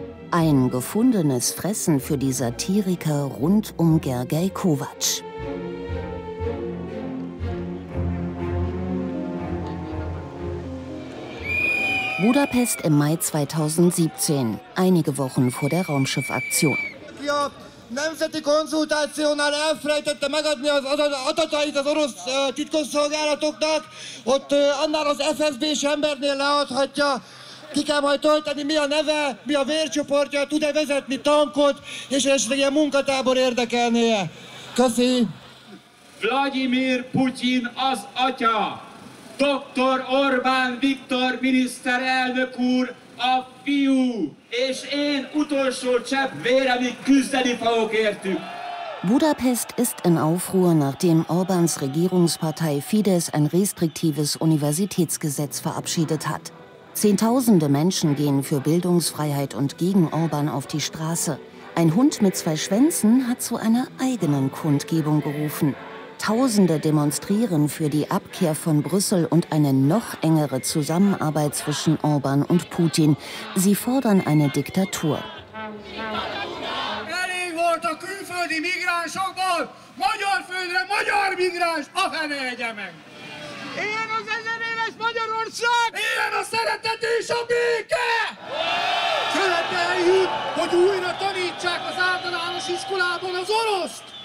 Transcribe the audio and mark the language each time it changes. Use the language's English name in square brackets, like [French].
[German] Ein gefundenes Fressen für die Satiriker rund um Gergely Kovács. Budapest im Mai 2017, einige Wochen vor der Raumschiffaktion. [Hungarian] Nemzeti konzultációnál elfelejtette megadni az adatait az orosz titkosszolgálatoknak, ott annál az FSB-s embernél leadhatja. Ki kell majd tölteni, mi a neve, mi a vércsoportja, tud-e vezetni tankot, és esetleg ilyen munkatábor érdekelnie. Köszi! Vladimir Putyin az atya, Dr. Orbán Viktor miniszterelnök úr a fiú, és én utolsó csepp véremig küzdeni fogok értük. [German] Budapest ist in Aufruhr, nachdem Orbáns Regierungspartei Fidesz ein restriktives Universitätsgesetz verabschiedet hat. Zehntausende Menschen gehen für Bildungsfreiheit und gegen Orbán auf die Straße. Ein Hund mit zwei Schwänzen hat zu einer eigenen Kundgebung gerufen. Tausende demonstrieren für die Abkehr von Brüssel und eine noch engere Zusammenarbeit zwischen Orbán und Putin. Sie fordern eine Diktatur. [Hungarian] Elég volt a külföldi migránsokból! Magyar földre, magyar migráns! A fene egye meg! Ilyen az ezer éves Magyarország! Ilyen a szeretet és a béke! Követeljük, hogy újra tanítsák az általános iskolában az oroszt!